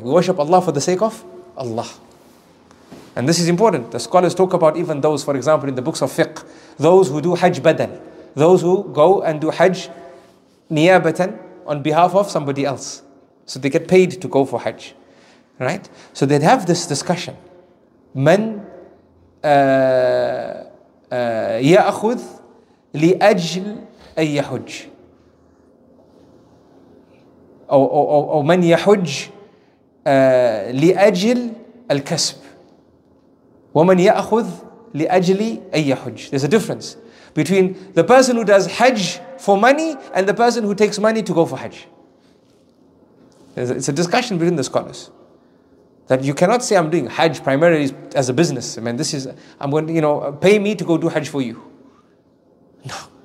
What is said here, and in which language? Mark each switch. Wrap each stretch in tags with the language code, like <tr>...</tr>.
<en>We worship Allah for the sake of Allah. And this is important. The scholars talk about even those, for example, in the books of fiqh, those who do hajj badal, those who go and do hajj niyabatan on behalf of somebody else. So they get paid to go for hajj, right? So they'd have this discussion.</en> <ar>من يأخذ لأجل أن يحج أو من يحج لأجل الكسب ومن يأخذ لأجل أن يحج.</ar> <en>There's a difference. between the person who does Hajj for money and the person who takes money to go for Hajj. It's a discussion between the scholars. That you cannot say I'm doing Hajj primarily as a business. I mean, this is, I'm going to, you know, pay me to go do Hajj for you. No.</en>